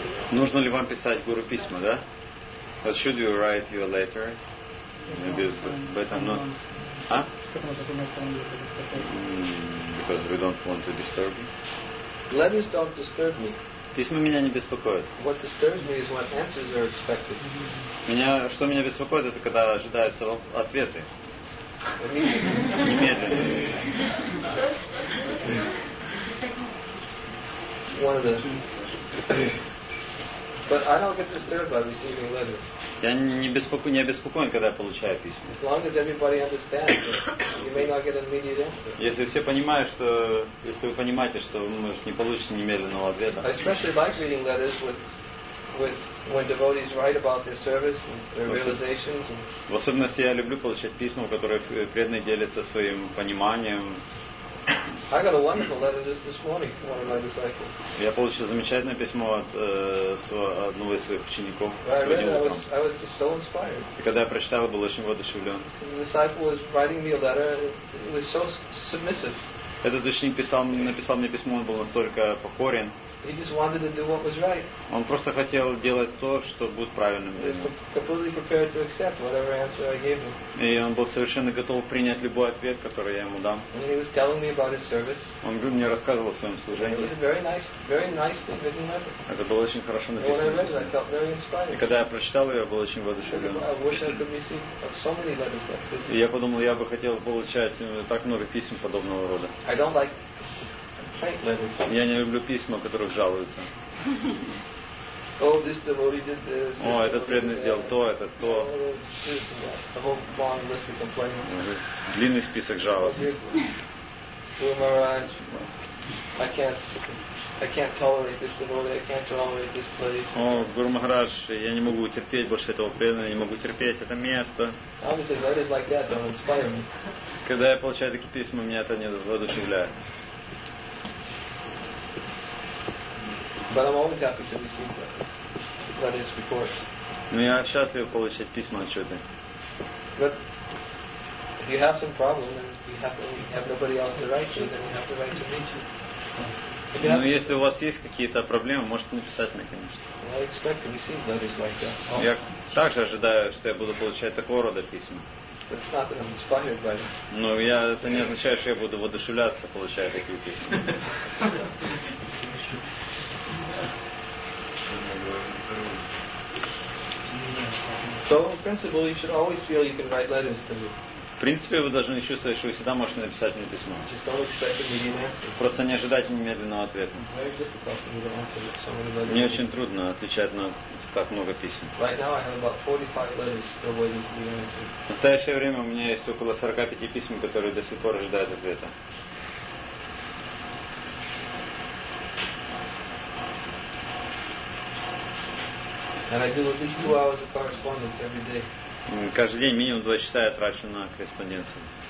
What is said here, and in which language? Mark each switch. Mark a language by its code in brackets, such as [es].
[ru] Нужно ли вам писать гуру письма, да? [en] But should you write your letters? Maybe it's better not. А? Because we don't want to disturb you. Letters don't disturb me. [ru] Письма меня не беспокоят. [en] What disturbs me is what answers are expected. [ru] Меня, что меня беспокоит, это когда ожидаются ответы. Немедленно. [en] But I don't get disturbed by receiving letters. [ru] Я не обеспокоен, когда я получаю письма. [en] As long as everybody understands, you may not get an immediate answer. [ru] Если все понимают, что если вы понимаете, что вы, может, не получите немедленного ответа. [en] I especially like reading letters with when devotees write about their service and their realizations. [ru] В особенности я люблю получать письма, в которых преданные делятся своим пониманием. [en] I got a wonderful letter just this morning from one of my disciples. [ru] Я получил замечательное письмо от одного из своих учеников. [en] I was just so inspired. [ru] И когда я прочитал, был очень воодушевлен. [en] The disciple was writing me a letter. He was so submissive. [ru] Этот ученик написал мне письмо, он был настолько покорен. [en] He just wanted to do what was right. [ru] Он просто хотел делать то, что будет правильным. [en] He was completely prepared to accept whatever answer I gave him. [ru] И он был совершенно готов принять любой ответ, который я ему дам. [en] And he was telling me about his service. [ru] Он мне рассказывал о своем служении. [en] It was a very nice written letter. [ru] Это было очень хорошо написано. [en] When I read it, I felt very inspired. [ru] И когда я прочитал ее, я был очень воодушевлен. [en] I wish I could receive so many letters like this. [ru] И я подумал, я бы хотел получать так много писем подобного рода. [en] I don't like. [ru] Я не люблю письма, в которых жалуются. [en] Oh, this devotee did this. [ru] О, этот преданный сделал то, это то. [en] A whole long list of complaints. [ru] Длинный список жалоб. [en] Guru Maharaj, I can't tolerate this devotee. I can't tolerate this place. [ru] О, Гуру Махарадж, я не могу терпеть больше этого преданного, не могу терпеть это место. [en] Obviously, letters like that don't inspire me. [ru] Когда я получаю такие письма, меня это не воодушевляет. [en] But I'm always happy to receive letters, reports. [ru] Но я счастлив получать письма, отчеты. [en] But if you have some problem and you have nobody else to write to, then you have to write to me. [ru] Но если у вас есть какие-то проблемы, можете написать мне, конечно. [en] I expect to receive letters like that. Oh. [ru] Я также ожидаю, что я буду получать такого рода письма. [en] But it's not that I'm inspired by them. [ru] Но я это не означает, что я буду воодушевляться, получая такие письма. [en] So, in principle, you should always feel you can write letters to me. [ru] В принципе, вы должны чувствовать, что вы всегда можете написать мне письмо. [en] Just don't expect immediate answer. [ru] Просто не ожидайте немедленного ответа. [en] Very difficult to answer some of the [ru] letters. Мне очень трудно отвечать на так много писем. [en] Right now, I have about 45 letters still waiting to be answered. [ru] В настоящее время у меня есть около 45 писем, которые до сих пор ожидают ответа. [en] And I do at least 2 hours of correspondence every day. [ru] Каждый день минимум 2 часа я трачу на корреспонденцию.